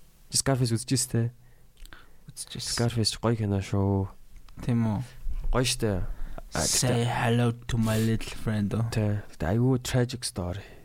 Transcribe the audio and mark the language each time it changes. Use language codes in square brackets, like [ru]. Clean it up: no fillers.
[mn] Scarface үзчихсэн. Үзчихсэн. Scarface гоё кино шүү. Тэмүү. Гоё штэ. [en] Say hello to my little friend. [mn] Тэгээд айгүй [en] tragic story.